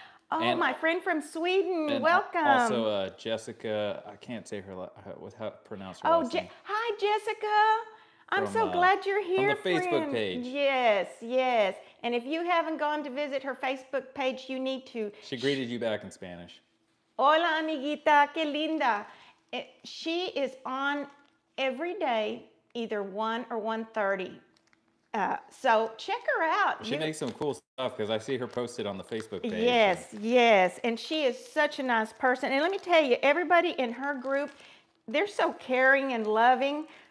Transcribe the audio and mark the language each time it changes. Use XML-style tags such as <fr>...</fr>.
<en>Oh, and my friend from Sweden. Welcome. Also, Jessica. I can't say her how to pronounce her last name. Hi, Jessica. I'm so glad you're here, friend. From the Facebook page. Yes, yes. And if you haven't gone to visit her Facebook page, you need to. She greeted you back in Spanish.</en> <es>Hola, amiguita, qué linda.</es> <en>She is on every day, either 1 or 1:30. So check her out. She makes some cool stuff because I see her posted on the Facebook page. Yes, yes. And she is such a nice person. And let me tell you, everybody in her group, they're so caring and loving.</en>